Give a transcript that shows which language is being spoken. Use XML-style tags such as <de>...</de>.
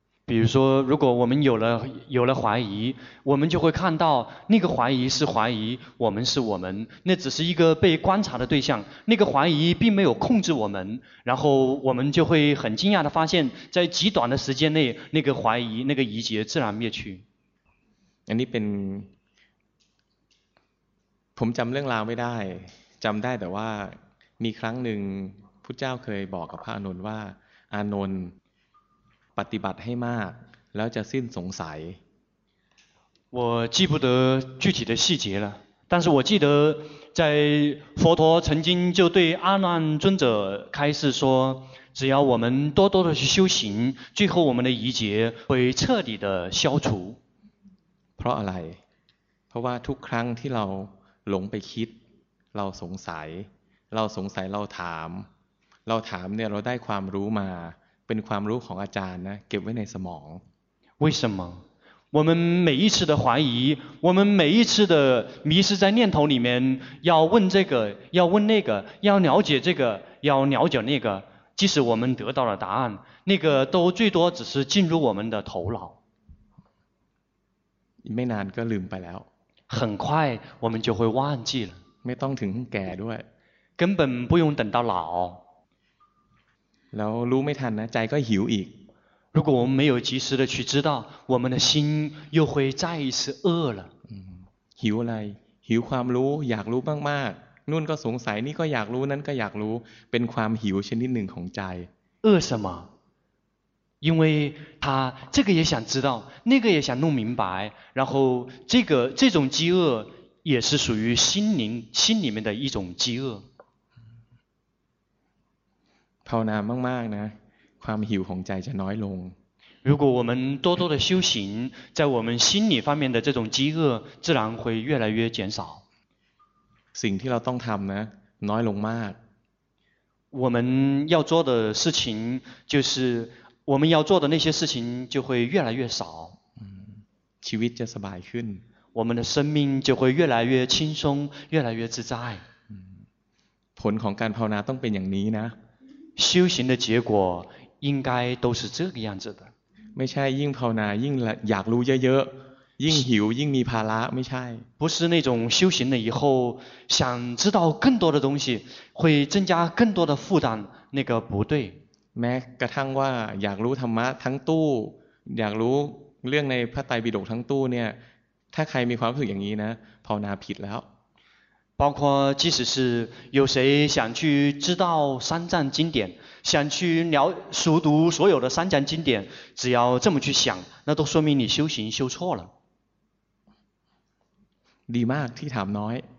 <zh>比如说如果我们有了怀疑我们就会看到那个怀疑是怀疑我们是我们那只是一个被观察的对象那个怀疑并没有控制我们然后我们就会很惊讶的发现在极短的时间内那个怀疑那个疑结自然灭去</zh> <th>อันนี้เป็นผมจำเรื่องราวไม่ได้จำได้แต่ว่ามีครั้งหนึ่งพุทธเจ้าเคยบอกกับพระอานนท์ว่าอานนท์ปฏิบัติให้มากแล้วจะสิ้นสงสัย</th> <zh>我记不得具体的细节了但是我记得在佛陀曾经就对阿难尊者开示说只要我们多多的去修行最后我们的疑结会彻底的消除</zh> <th>เพราะอะไรเพราะว่าทุกครั้งที่เราหลงไปคิดเราสงสัยเราสงสัยเราถามเราถามเนี่ยเราได้ความรู้มาเป็นความรู้ของอาจารย์นะเก็บไว้ในสมอง</th> <zh>为什么我们每一次的怀疑我们每一次的迷失在念头里面要问这个要问那个要了解这个要了解那个即使我们得到了答案那个都最多只是进入我们的头脑</zh> <th>ไม่นานก็ลืมไปแล้ว</th> <zh>很快我们就会忘记了</zh> <th>ไม่ต้องถึงแก่ด้วย</th> <zh>根本不用等到老</zh> <th>แล้วรู้ไม่ทันนะใจก็หิวอีก</th> <zh>如果我们没有及时的去知道我们的心又会再一次饿了</zh> <th>หิวอะไรหิวความรู้อยากรู้มากๆนู่นก็สงสัยนี่ก็อยากรู้นั่นก็อยากรู้เป็นความหิวชนิดหนึ่งของใจ</th> <zh>饿什么因为他这个也想知道那个也想弄明白然后这种饥饿也是属于心里面的一种饥饿</zh> <th>ภาวนามากๆนะความหิวของใจจะน้อยลง</th> <zh>如果我们多多的修行在我们心理方面的这种饥饿自然会越来越减少</zh> <th>สิ่งที่เราต้องทำนะน้อยลงมาก</th> <zh>我们要做的事情就是我们要做的那些事情就会越来越少</zh> <th>ชีวิตจะสบายขึ้น</th> <zh>我们的生命就会越来越轻松越来越自在</zh> <th>ผลของการภาวนาต้องเป็นอย่างนี้นะ</th> <zh>修行的结果应该都是这个样子的</zh> <th>ไม่ใช่ยิ่งภาวนายิ่งอยากรู้เยอะๆยิ่งหิวยิ่งมีภาระไม่ใช่</th> <zh>不是那种修行了以后想知道更多的东西会增加更多的负担那个不对</zh> <th>แม้กระทั่งว่าอยากรู้ธรรมะทั้งตู้อยากรู้เรื่องในพระไตรปิฎกทั้งตู้เนี่ยถ้าใครมีความรู้สึกอย่างนี้นะภาวนาผิดแล้ว</th> <zh>包括即使是有谁想去知道三藏经典想去了熟读所有的三藏经典只要这么去想那都说明你修行修错了</zh> <th>ดีมากที่ถามน้อย</th>